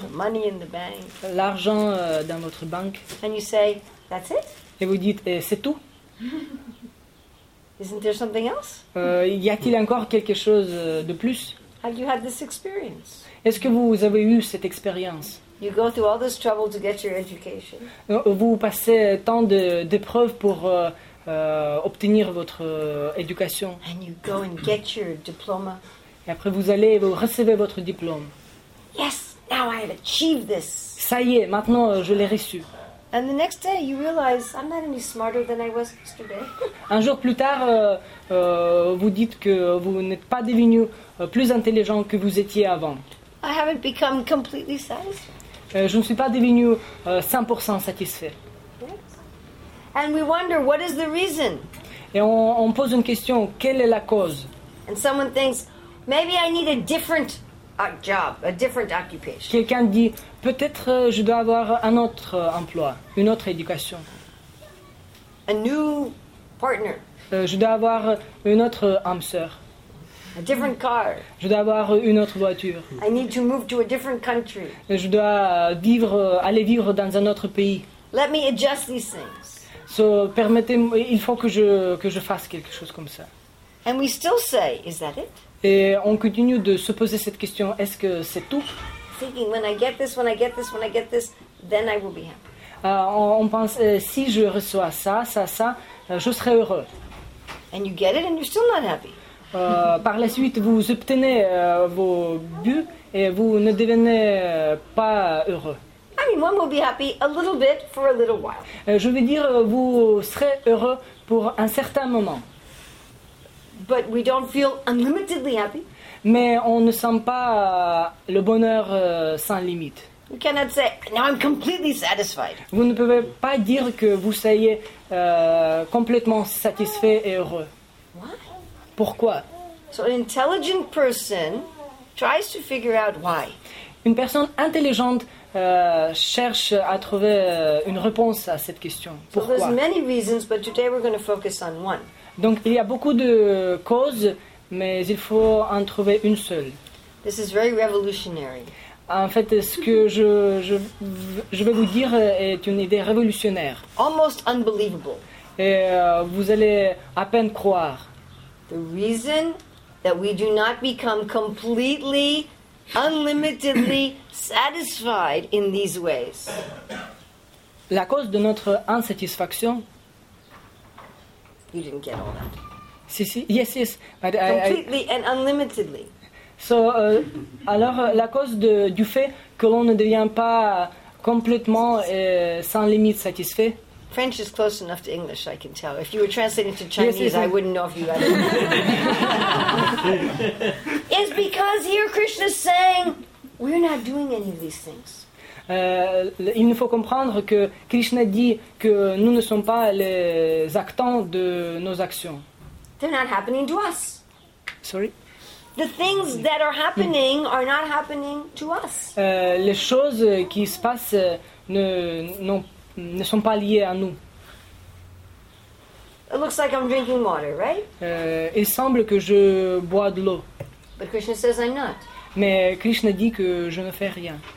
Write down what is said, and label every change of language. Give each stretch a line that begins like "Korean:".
English: The money in the bank.
French: L'argent dans votre banque.
English: And you say, that's it?
French: Et vous dites, c'est tout?
English: Isn't there something else?
French: Y a-t-il encore quelque chose de plus?
English: Have you had this experience?
French: Est-ce que vous avez eu cette expérience?
English: You go through all this trouble to get your education.
French: Vous passez tant d'épreuves pour obtenir votre éducation.
English: And you go and get your diploma.
French: Et après vous allez vous recevez votre diplôme.
English: Yes, now I have achieved this.
French: Ça y est, maintenant je l'ai reçu.
English: And the next day you realize I'm not any smarter than I was yesterday.
French: Un jour plus tard vous dites que vous n'êtes pas devenu plus intelligent que vous étiez avant.
English: I haven't become completely satisfied.
French: Je ne suis pas devenu 100% satisfait.
English: And we wonder what is the reason.
French: Et on pose une question, quelle est la cause?
English: And someone thinks maybe I need a different job, a different occupation.
French: Quelqu'un dit peut-être je dois avoir un autre emploi, une autre éducation.
English: A new partner.
French: Je dois avoir une autre âme sœur.
English: A different car.
French: Je dois avoir une autre voiture.
English: I need to move to a different country.
French: Je dois aller vivre dans un autre pays.
English: Let me adjust these things.
French: So, permettez-moi, il faut que je fasse quelque chose comme ça.
English: And we still say, is that it?
French: Et on continue de se poser cette question, est-ce que c'est tout?
English: Thinking, when I get this, when I get this, when I get this, then I will be happy.
French: On pense, si je reçois ça, ça, ça, je serai heureux.
English: And you get it and you're still not happy.
French: Par la suite, vous obtenez vos buts et vous ne devenez pas heureux.
English: I mean, one will be happy a little bit for a little while.
French: Je veux dire, vous serez heureux pour un certain moment.
English: But we don't feel unlimitedly happy.
French: Mais on ne sent pas le bonheur sans limite.
English: You cannot say, now I'm completely satisfied.
French: Vous ne pouvez pas dire que vous soyez complètement satisfait et heureux.
English: Why?
French: Pourquoi?
English: So an intelligent person tries to figure out why.
French: Une personne intelligente cherche à trouver une réponse à cette question. Pourquoi?
English: So there's many reasons, but today we're going to focus on one.
French: Donc il y a beaucoup de causes, mais il faut en trouver une seule.
English: This is very revolutionary.
French: En fait, ce que je vais vous dire est une idée révolutionnaire.
English: Almost unbelievable.
French: Et vous allez à peine croire.
English: The reason that we do not become completely unlimitedly satisfied in these ways.
French: La cause de notre insatisfaction.
English: You didn't get all that. Si. Yes. But completely and unlimitedly.
French: So, alors la cause du fait que l'on ne devient pas complètement et sans limite satisfait.
English: French is close enough to English, I can tell. If you were translating to Chinese, yes. I wouldn't know if you had it. It's because here Krishna's saying, We're not doing any of these things.
French: Il nous faut comprendre que Krishna dit que nous ne sommes pas les actants de nos actions.
English: They're not happening to us. Sorry. The things that are happening are not happening to us.
French: Les choses qui se passent ne sont pas liées à nous.
English: It looks like I'm drinking water, right?
French: Il semble que je bois de l'eau.
English: But Krishna says I'm not.
French: Mais Krishna dit que je ne fais rien.